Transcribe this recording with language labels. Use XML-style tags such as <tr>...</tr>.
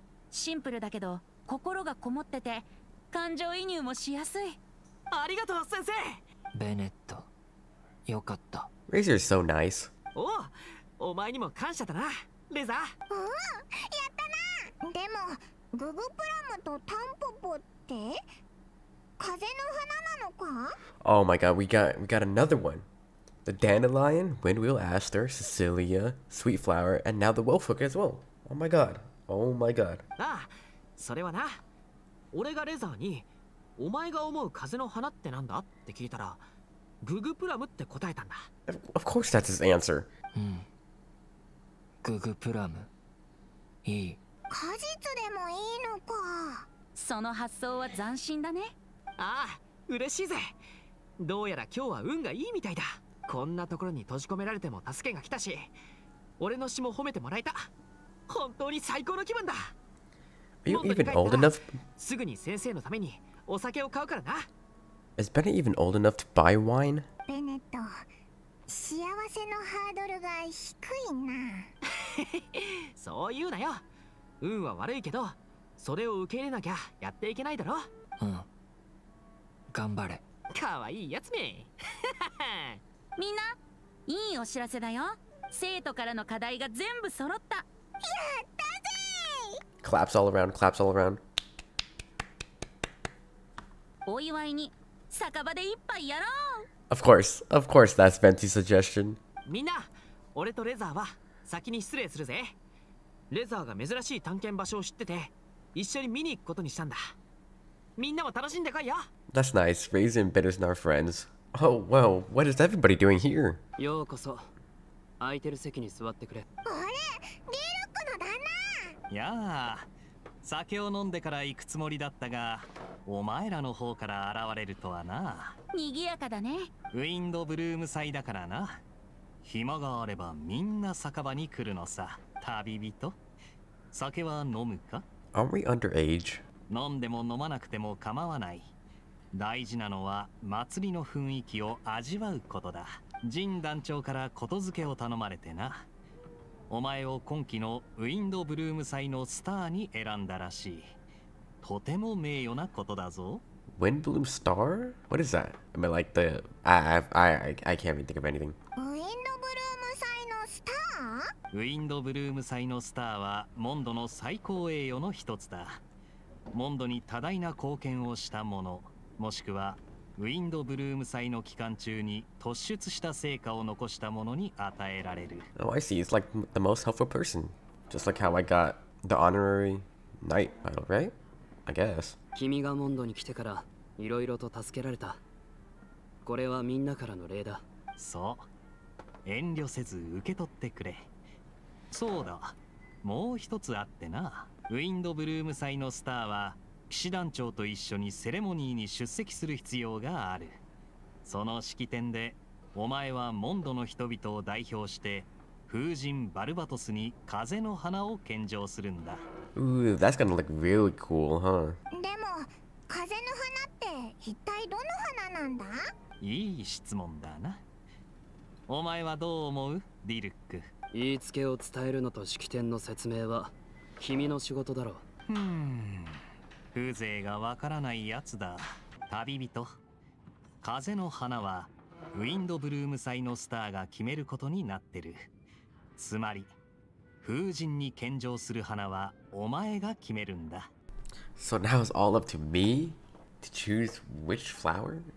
<ja>シンプルだけど心がこもってて感情移入もしやすい。ありがとう先生。ベネット、よかった。</ja> <en>Razor is so nice.</en> <ja>おお、お前にも感謝だな、レザー。うん、やったな。でもググプラムとタンポポって。風の花なのか?</ja> <en>Oh my god, we got another one. The Dandelion, Windwheel, Aster, Cecilia, Sweetflower, and now the Wolfhook as well. Oh my god. Oh my god.</en> <ja>Ah, それはな。俺がレザーに、お前が思う風の花ってなんだって聞いたら、ググプラムって答えたんだ。</ja> <en>Of course that's his answer.</en> <ja>ググプラム。いい。果実でもいいのか。その発想は斬新だね。ああ、嬉しいぜ。どうやら今日は運がいいみたいだ。こんなところに閉じ込められても助けが来たし、俺の詩も褒めてもらえた。本当に最高の気分だ。</ja> <en>Are you even old enough?</en> <ja>すぐに先生のためにお酒を買うからな。</ja> <en>Is Bennett even old enough to buy wine?</en> <ja>ベネット、幸せのハードルが低いな。そう言うなよ。運は悪いけど、それを受け入れなきゃやっていけないだろ。うん。頑張れ。かわいいやつめ。みんな、いいお知らせだよ。生徒からの課題が全部揃った。やったぜ！</ja> <en>Claps all around, claps all around.</en> <ja>お祝いに、酒場で一杯やろう。</ja> <en>Of course, that's Venti's suggestion.</en> <ja>みんな、俺とレザーは先に失礼するぜ。レザーが珍しい探検場所を知ってて、一緒に見に行くことにしたんだ。みんなも楽しんでかいよ。</ja> <en>That's nice. Raisin and Bitters and our friends. Oh, well, what is everybody doing here?</en> <ja>ようこそ。空いてる席に座ってくれ。あれ、リルクの旦那。いやあ、酒を飲んでから行くつもりだったが、お前らの方から現れるとはな。賑やかだね。ウィンドブルーム祭だからな。暇があればみんな酒場に来るのさ。旅人、酒は飲むか？</ja> <en>Are we underage?</en> <ja>飲んでも飲まなくても構わない。大事なのは祭りの雰囲気を味わうことだ。ジン団長からことづけを頼まれてな。お前を今期のウィンドブルーム祭のスターに選んだらしい。とても名誉なことだぞ。</ja> <en>Windbloom star? What is that? I mean, like the I can't even think of anything.</en> <ja>ウィンドブルーム祭のスター？ウィンドブルーム祭のスターはモンドの最高栄誉の一つだ。モンドに多大な貢献をした者、もしくはウィンドブルーム祭の期間中に突出した成果を残した者に与えられる。</ja> <en>Oh, I see. It's like the most helpful person. Just like how I got the honorary knight title, right? I guess.</en> <ja>君がモンドに来てからいろいろと助けられた。これはみんなからの礼だ。そう。遠慮せず受け取ってくれ。そうだ、もう一つあってな。ウィンドブルーム祭のスターは騎士団長と一緒にセレモニーに出席する必要がある。その式典でお前はモンドの人々を代表して風神バルバトスに風の花を献上するんだ。</ja> <en>Ooh, that's gonna look really cool, huh?</en> <ja>でも風の花って一体どの花なんだ？いい質問だな。お前はどう思う、ディルック？言いつけを伝えるのと式典の説明は君の仕事だろう。風情がわからないやつだ。旅人、風の花はウィンドブルーム祭のスターが決めることになってる。つまり風神に献上する花はお前が決めるんだ。</ja> <en>So now it's all up to me to choose which flower?</en>